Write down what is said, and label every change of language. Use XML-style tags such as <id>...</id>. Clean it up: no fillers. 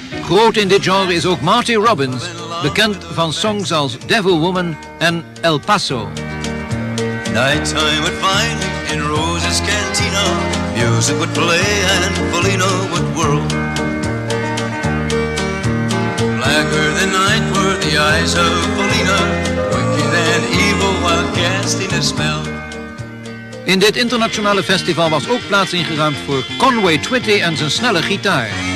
<nl>Groot in dit genre is ook Marty Robbins, bekend van songs als Devil Woman en El Paso.</nl> <en>Nighttime would find in Rose's cantina, music would play and Felina would whirl. Blacker than night were the eyes of Felina, wicked and evil while casting a spell.</en> <nl>In dit internationale festival was ook plaats ingeruimd voor Conway Twitty en zijn snelle gitaar.</nl>